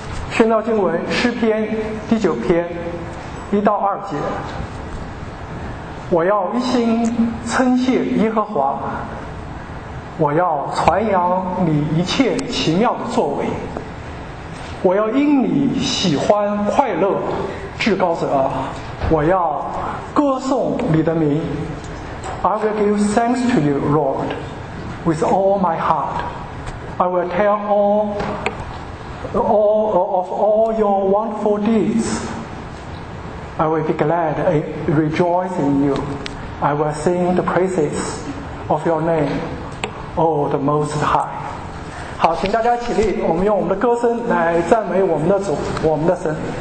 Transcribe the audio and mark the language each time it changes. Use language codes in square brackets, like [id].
[zh] 宣召经文诗篇第九篇一到二节，我要一心称谢耶和华，我要传扬你一切奇妙的作为，我要因你喜欢快乐至高者，我要歌颂你的名。 [en] I will give thanks to you Lord with all my heart. I will tell all your wonderful deeds. I will be glad and rejoice in you. I will sing the praises of your name, O the Most High. [zh] 好，请大家起立，我们用我们的歌声来赞美我们的主，我们的神。